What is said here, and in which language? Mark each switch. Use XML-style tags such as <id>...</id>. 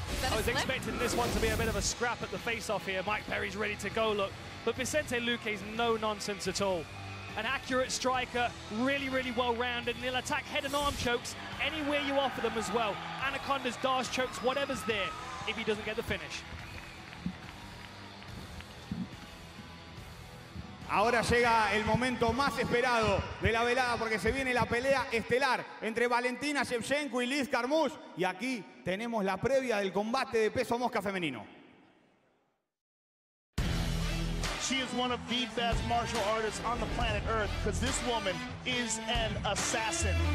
<en>I was expecting this one to be a bit of a scrap at the face-off here. Mike Perry's ready to go, look. But Vicente Luque is no nonsense at all. An accurate striker, really, really well-rounded, and he'll attack head and arm chokes anywhere you offer them as well. Anacondas, Dars chokes, whatever's there, if he doesn't get the finish.</en> <es>Ahora llega el momento más esperado de la velada, porque se viene la pelea estelar entre Valentina Shevchenko y Liz Carmouche. Y aquí tenemos la previa del combate de peso mosca femenino.</es> <en>She is one of the best martial artists on the planet Earth, because this woman is an assassin.</en>